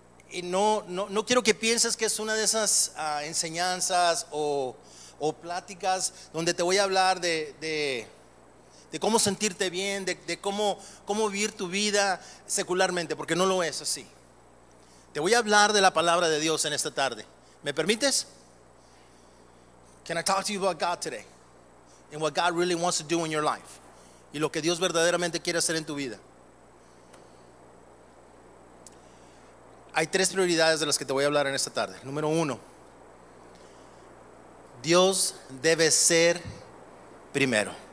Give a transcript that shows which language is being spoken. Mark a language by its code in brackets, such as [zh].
[es] Y no quiero que pienses que es una de esas enseñanzas o pláticas donde te voy a hablar de cómo sentirte bien, de cómo vivir tu vida secularmente, porque no lo es así. Te voy a hablar de la palabra de Dios en esta tarde. ¿Me permites? [en] Can I talk to you about God today? And what God really wants to do in your life. [es] Y lo que Dios verdaderamente quiere hacer en tu vida. Hay tres prioridades de las que te voy a hablar en esta tarde. Número uno, Dios debe ser primero.